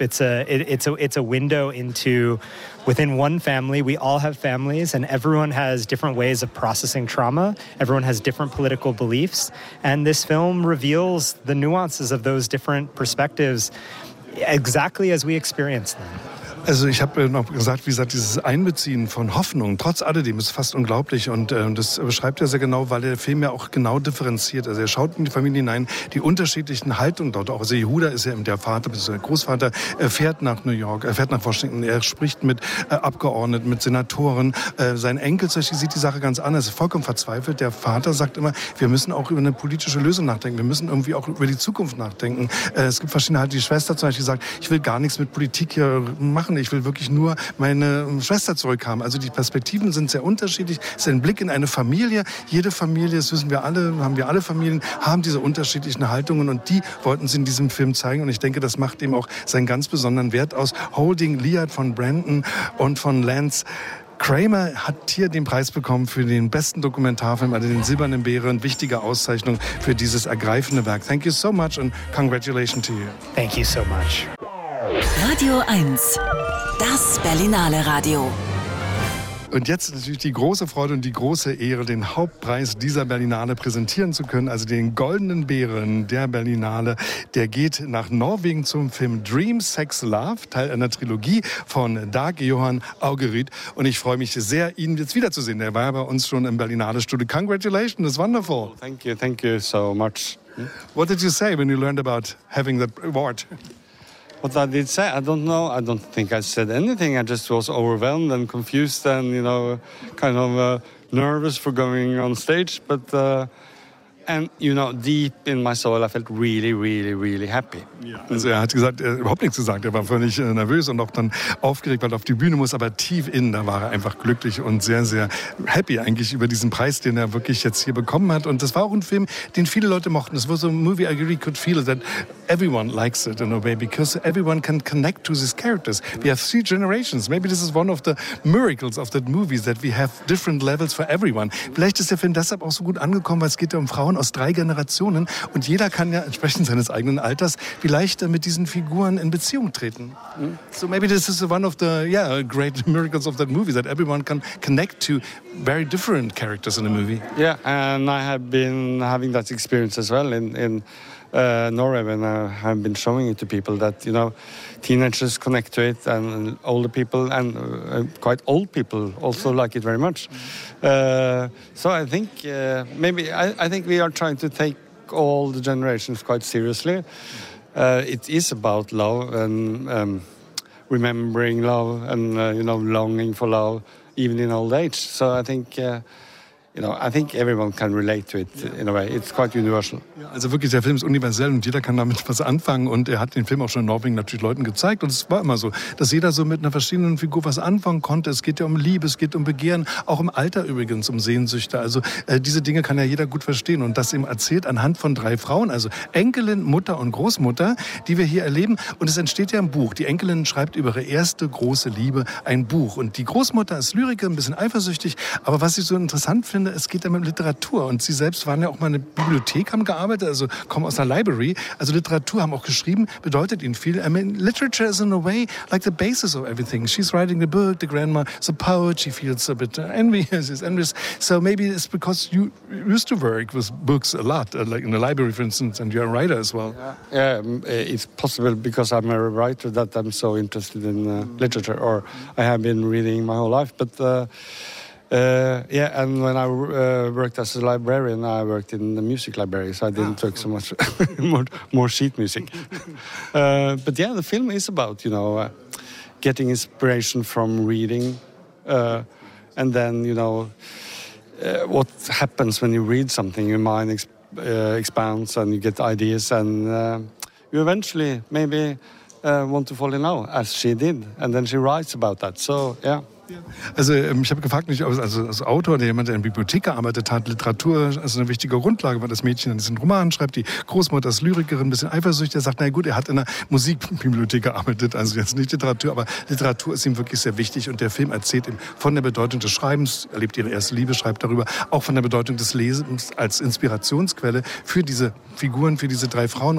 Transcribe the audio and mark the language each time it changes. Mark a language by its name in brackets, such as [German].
[English] It's a window into within one family. We all have families and everyone has different ways of processing trauma. Everyone has different political beliefs. And this film reveals the nuances of those different perspectives exactly as we experience them. [German] Also ich habe noch gesagt, wie gesagt, dieses Einbeziehen von Hoffnung, trotz alledem, ist fast unglaublich. Und das beschreibt er sehr genau, weil der Film ja auch genau differenziert. Also er schaut in die Familie hinein, die unterschiedlichen Haltungen dort. Auch also Yehuda ist ja eben der Vater, also der Großvater, er fährt nach New York, er fährt nach Washington, er spricht mit Abgeordneten, mit Senatoren. Sein Enkel zum Beispiel sieht die Sache ganz anders, ist vollkommen verzweifelt. Der Vater sagt immer, wir müssen auch über eine politische Lösung nachdenken. Wir müssen irgendwie auch über die Zukunft nachdenken. Es gibt verschiedene Haltungen. Die Schwester zum Beispiel sagt, ich will gar nichts mit Politik hier machen. Ich will wirklich nur meine Schwester zurückhaben. Also die Perspektiven sind sehr unterschiedlich. Es ist ein Blick in eine Familie. Jede Familie, das wissen wir alle, haben wir alle Familien, haben diese unterschiedlichen Haltungen und die wollten sie in diesem Film zeigen. Und ich denke, das macht ihm auch seinen ganz besonderen Wert aus. Holding Liat von Brandon und von Lance Kramer hat hier den Preis bekommen für den besten Dokumentarfilm, also den Silbernen Bären. Wichtige Auszeichnung für dieses ergreifende Werk. [English] Thank you so much and congratulations to you. Thank you so much. [German] Radio 1, das Berlinale Radio. Und jetzt natürlich die große Freude und die große Ehre, den Hauptpreis dieser Berlinale präsentieren zu können, also den Goldenen Bären der Berlinale. Der geht nach Norwegen zum Film Dream Sex Love, Teil einer Trilogie von Dag Johan Aukerud. Und ich freue mich sehr, ihn jetzt wiederzusehen. Der war ja bei uns schon im Berlinale Studio. [English] Congratulations, it's wonderful. Oh, thank you so much. What did you say when you learned about having that award? What I did say, I don't know. I don't think I said anything. I just was overwhelmed and confused and, you know, kind of nervous for going on stage. But, and, you know, deep in my soul, I felt really, really, really happy. Yeah. [German] Also er hat gesagt, er hat überhaupt nichts gesagt. Er war völlig nervös und auch dann aufgeregt, weil er auf die Bühne muss. Aber tief innen, da war er einfach glücklich und sehr, sehr happy eigentlich über diesen Preis, den er wirklich jetzt hier bekommen hat. Und das war auch ein Film, den viele Leute mochten. [English] Es war so ein Movie, I really could feel that everyone likes it in a way, because everyone can connect to these characters. We have three generations. Maybe this is one of the miracles of that movie, that we have different levels for everyone. [German] Vielleicht ist der Film deshalb auch so gut angekommen, weil es geht ja um Frauen aus drei Generationen und jeder kann ja entsprechend seines eigenen Alters vielleicht mit diesen Figuren in Beziehung treten. [English] So maybe this is one of the great miracles of that movie, that everyone can connect to very different characters in a movie. Yeah, and I have been having that experience as well in Norway when I have been showing it to people, that, you know, teenagers connect to it and older people and quite old people also like it very much. So I think I think we are trying to take all the generations quite seriously. It is about love and remembering love and, you know, longing for love even in old age. So I think you know, I think everyone can relate to it in a way. It's quite universal. [German] Ja, also wirklich, der Film ist universell und jeder kann damit was anfangen. Und er hat den Film auch schon in Norwegen natürlich Leuten gezeigt. Und es war immer so, dass jeder so mit einer verschiedenen Figur was anfangen konnte. Es geht ja um Liebe, es geht um Begehren, auch im Alter übrigens, um Sehnsüchte. Also diese Dinge kann ja jeder gut verstehen. Und das eben erzählt anhand von drei Frauen, also Enkelin, Mutter und Großmutter, die wir hier erleben. Und es entsteht ja ein Buch. Die Enkelin schreibt über ihre erste große Liebe ein Buch. Und die Großmutter ist Lyriker, ein bisschen eifersüchtig. Aber was ich so interessant finde, es geht ja mit Literatur. Und Sie selbst waren ja auch mal in der Bibliothek, haben gearbeitet, also kommen aus einer Library. Also Literatur, haben auch geschrieben, bedeutet Ihnen viel. [English] I mean, literature is in a way like the basis of everything. She's writing the book, the grandma, the poet, she feels a bit envious. So maybe it's because you used to work with books a lot, like in the library, for instance, and you're a writer as well. Yeah, it's possible because I'm a writer that I'm so interested in literature, or I have been reading my whole life. But yeah, and when I worked as a librarian, I worked in the music library, so I didn't work so much more sheet music. But yeah, the film is about, you know, getting inspiration from reading, and then, you know, what happens when you read something, your mind expands and you get ideas, and you eventually maybe want to fall in love, as she did, and then she writes about that, so yeah. [German] Also ich habe gefragt, nicht also als Autor, der jemand, der in der Bibliothek gearbeitet hat, Literatur ist also eine wichtige Grundlage, weil das Mädchen dann diesen Roman schreibt, die Großmutter ist Lyrikerin, ein bisschen eifersüchtig, der sagt, na gut, er hat in der Musikbibliothek gearbeitet, also jetzt nicht Literatur, aber Literatur ist ihm wirklich sehr wichtig und der Film erzählt ihm von der Bedeutung des Schreibens, erlebt ihre erste Liebe, schreibt darüber, auch von der Bedeutung des Lesens als Inspirationsquelle für diese Figuren, für diese drei Frauen.